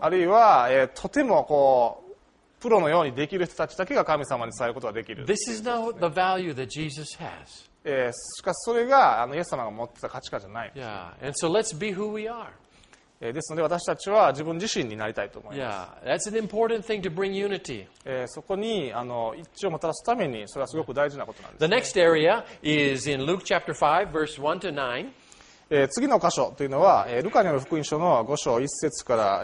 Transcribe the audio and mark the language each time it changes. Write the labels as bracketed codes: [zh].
[ja] あるいは、とてもこうプロのようにできる人たちだけが神様に使えることができる。 [en] This is not the value that Jesus has. [ja] しかしそれがイエス様が持ってた価値観じゃないです [en] 、ね、Yeah. And so let's be who we are. [ja] ですので私たちは自分自身になりたいと思います。 [en] Yeah, that's an important thing to bring unity. [ja] そこに一致をもたらすためにそれはすごく大事なことなんですね。 [en] The next area is in Luke chapter 5, verse 1 to 9. [ja] 次の箇所というのは、ルカによる福音書の5章1節から、